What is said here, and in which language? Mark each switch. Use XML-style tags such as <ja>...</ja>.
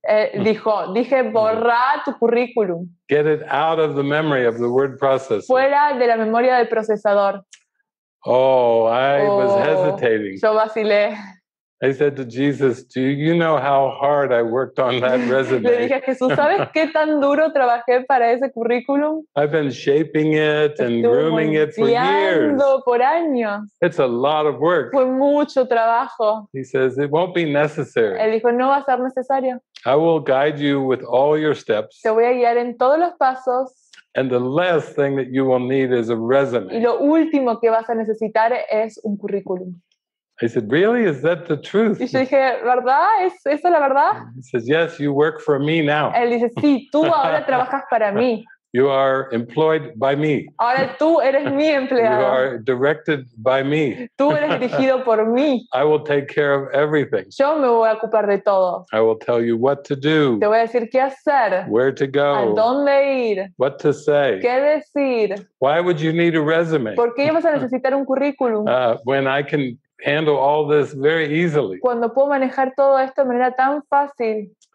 <es>Dije, borra tu currículum.</es> <en>Get it out of the memory of the word processor.</en> <es>Fuera de la memoria del procesador.</es> <en>Oh, I was hesitating.</en> <es>Yo vacilé.</es> <en>I said to Jesus, "Do you know how hard I worked on that resume?"</en> <es>Le dije a Jesús, ¿sabes qué tan duro trabajé para ese currículum?</es> <en>I've been shaping it and grooming it for years.</en> <es>Por años.</es> <en>It's a lot of work.</en> <es>Fue mucho trabajo.</es> <en>He says, "It won't be necessary."</en> <es>Él dijo, no va a ser necesario.</es> <en>I will guide you with all your steps.</en> <es>Te voy a guiar en todos los pasos.</es> <en>And the last thing that you will need is a resume.</en> <es>Y lo último que vas a necesitar es un currículum.</es> <en>I said, "Really? Is that the truth?"</en> <es>Y yo dije, ¿verdad? ¿Es eso la verdad?</es> <en>He says, "Yes, you work for me now."</en> <es>Él dice, sí, tú ahora trabajas para mí.</es> <en>You are employed by me.</en> <es>Ahora tú eres mi empleado.</es> <en>You are directed by me.</en> <es>Tú eres dirigido por mí.</es> <en>I will take care of everything.</en> <es>Yo me voy a ocupar de todo.</es> <en>I will tell you what to do.</en> <es>Te voy a decir qué hacer.</es> <en>Where to go.</en> <es>A dónde ir.</es> <en>What to say.</en> <es>Qué decir.</es> <en>Why would you need a resume?</en> <es>¿Por qué vas a necesitar un currículum?</es> <en>When I can handle all this very easily.</en> <es>Cuando puedo manejar todo esto de manera tan fácil.</es>